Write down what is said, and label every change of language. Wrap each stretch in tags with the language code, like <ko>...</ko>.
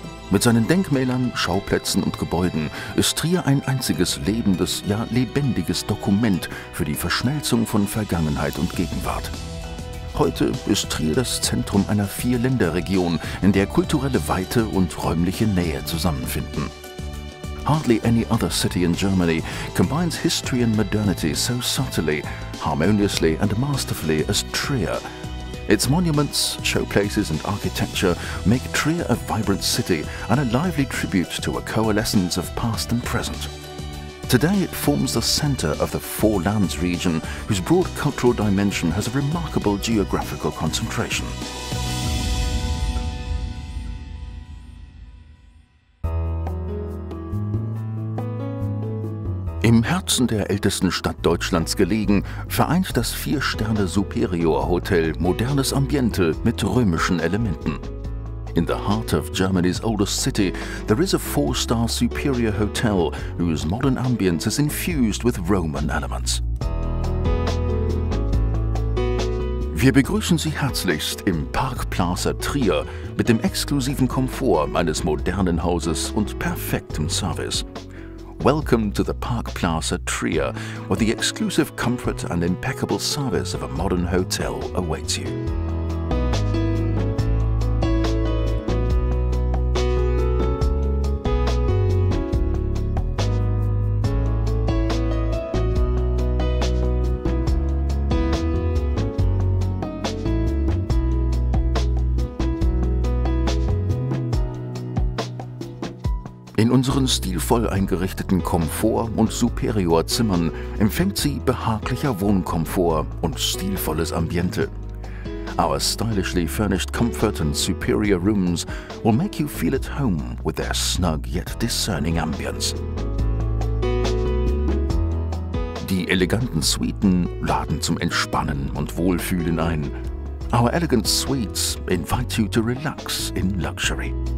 <de>Mit seinen Denkmälern, Schauplätzen und Gebäuden ist Trier ein einziges lebendes, ja lebendiges Dokument für die Verschmelzung von Vergangenheit und Gegenwart. Heute ist Trier das Zentrum einer Vier-Länder-Region, in der kulturelle Weite und räumliche Nähe zusammenfinden.</de> <en>Hardly any other city in Germany combines history and modernity so subtly, harmoniously and masterfully as Trier. Its monuments, showplaces and architecture make Trier a vibrant city and a lively tribute to a coalescence of past and present. Today it forms the center of the Four Lands region, whose broad cultural dimension has a remarkable geographical concentration.</en> <de>Im Herzen der ältesten Stadt Deutschlands gelegen, vereint das 4-Sterne Superior Hotel modernes Ambiente mit römischen Elementen.</de> <en>In the heart of Germany's oldest city, there is a 4-star Superior Hotel whose modern ambience is infused with Roman elements.</en> <de>Wir begrüßen Sie herzlichst im Park Plaza Trier mit dem exklusiven Komfort eines modernen Hauses und perfektem Service.</de> <en>Welcome to the Park Plaza Trier, where the exclusive comfort and impeccable service of a modern hotel awaits you.</en> <de>In unseren stilvoll eingerichteten Komfort- und Superior-Zimmern empfängt sie behaglicher Wohnkomfort und stilvolles Ambiente.</de> <en>Our stylishly furnished comfort and superior rooms will make you feel at home with their snug yet discerning ambience.</en> <de>Die eleganten Suiten laden zum Entspannen und Wohlfühlen ein.</de> <en>Our elegant suites invite you to relax in luxury.</en>